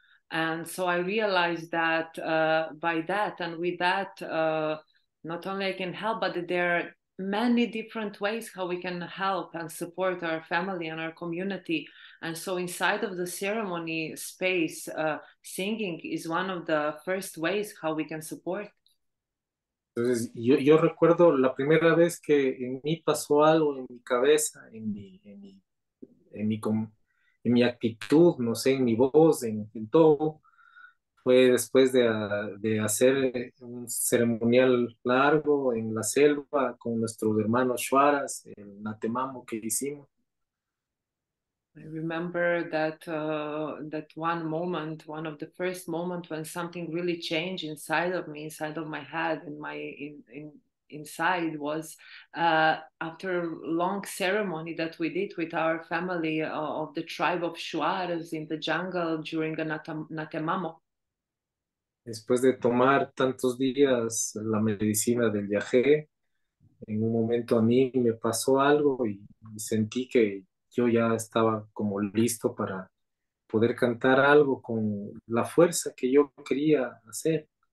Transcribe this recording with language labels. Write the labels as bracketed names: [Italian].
[English] And so I realized that by that and with that, not only I can help, but there are many different ways how we can help and support our family and our community. And so inside of the ceremony space, singing is one of the first ways how we can support. [Spanish] Entonces, yo recuerdo la primera vez que en mí pasó algo en mi cabeza, en mi actitud, no sé, en mi voz, en todo, fue después de hacer un ceremonial largo en la selva con nuestros hermanos Shuaras, el natemamo que hicimos. [English] I remember that that one moment, one of the first moments when something really changed inside of me, inside of my head, and my in inside was after a long ceremony that we did with our family of the tribe of Shuaras in the jungle during a natemamo. [Spanish] Después de tomar tantos días la medicina del yagé, en un momento a mí me pasó algo y sentí que yo ya estaba como listo para poder cantar algo con la fuerza que yo quería hacer.